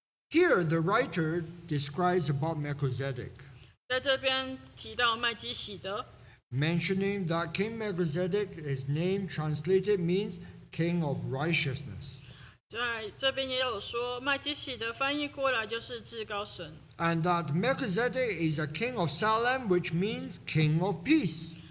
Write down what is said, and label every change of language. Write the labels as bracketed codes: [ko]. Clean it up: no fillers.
[en] Here the writer describes about Melchizedek. [zh] 在这边提到麦基喜德。 [en] Mentioning that King Melchizedek, his name translated means King of Righteousness. [zh] 在这边也有说，麦基喜德翻译过来就是至高神。 [en] And that Melchizedek is a king of Salem, which means king of peace.